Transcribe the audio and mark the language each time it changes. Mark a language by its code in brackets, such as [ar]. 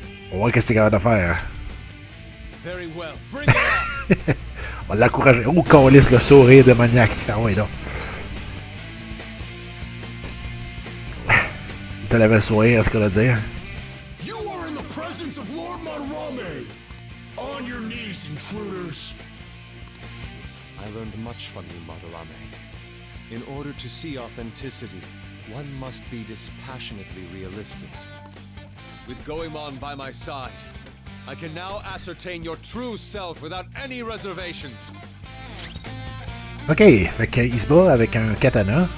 [fr] On va voir qu'est-ce que t'es capable de faire. [en] Very well. Bring it [fr] on va l'encourager. Oh, calice, le sourire de maniaque. Ah ouais, donc. Tu l'avais sourire, est-ce qu'on va dire? [en] You are in the presence of Lord Marame. On your knees, intruders. I learned much from you, Marame. In order to see authenticity, one must be dispassionately realistic. With Goemon by my side, I can now ascertain your true self without any reservations. [fr] Ok, fait qu'il se bat avec un katana.